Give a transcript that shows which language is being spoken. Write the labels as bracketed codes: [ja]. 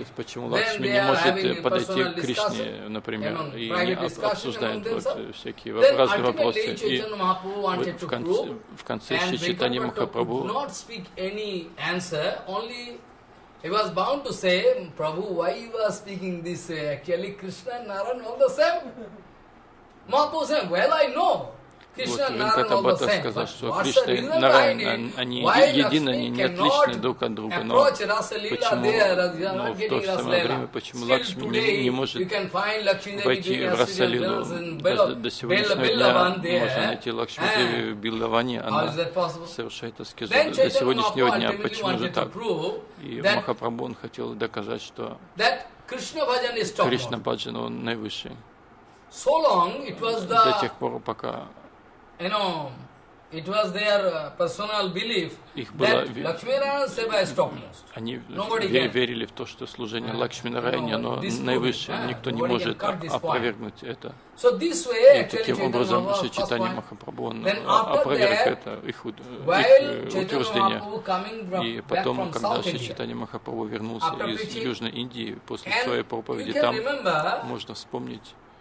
[ru] То есть, почему Лакшми не может подойти к Кришне, например, и не обсуждают вот всякие разные вопросы. И в конце Шри Чайтанья Махапрабху [en] not speak any answer, only he was bound to say, Prabhu, why you are speaking this way? Actually, Krishna and Narayan all the same. Mahaprabhu said, well, I know. [ru] Вот Венката Бхатта сказал, что Кришна и Нарайан, они едины, они не отличны друг от друга, но почему, но в то же самое время, почему Лакшми не может войти в Расалилу? Даже до сегодняшнего дня можно найти Лакшми Деви в Биллаване, она совершает аскезу до сегодняшнего дня, почему же так? И Махапрабху он хотел доказать, что Кришна Бхаджан, он наивысший. До тех пор, пока [en] it was their personal belief that Lakshmi Narayan Seva is topmost. [ru] Они верили в то, что служение Лакшми Нараяне, оно наивысшее, никто не может опровергнуть это. [en] So this way, [ru] и таким образом, Шри Чайтанья Махапрабху, он опроверг это, их утверждение. И потом, когда Шри Чайтанья Махапрабху вернулся из Южной Индии, после своей проповеди там, можно вспомнить,